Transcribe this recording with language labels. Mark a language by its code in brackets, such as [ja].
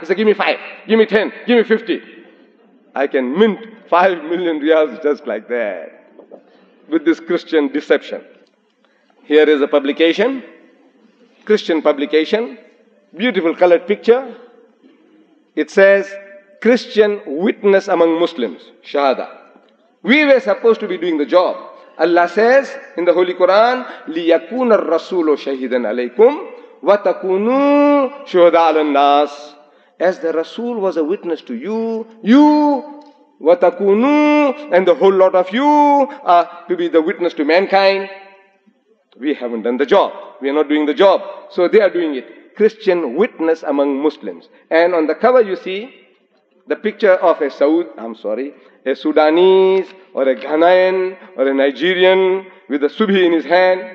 [en] He said, give me 5, give me 10, give me 50. I can mint 5 million riyals just like that with this Christian deception. Here is a publication, Christian publication, beautiful colored picture. It says, Christian witness among Muslims, shahada. We were supposed to be doing the job. [ar] Allah says in the Holy Quran, لِيَكُونَ الرَّسُولُ شَهِدًا عَلَيْكُمْ وَتَكُونُوا شُهَدَ عَلَى النَّاسِ. [en] As the Rasul was a witness to you, you, وَتَكُونُوا, and the whole lot of you are to be the witness to mankind. We haven't done the job. We are not doing the job. So they are doing it. Christian witness among Muslims. And on the cover you see, the picture of a Sudanese or a Ghanaian or a Nigerian with a subhi in his hand.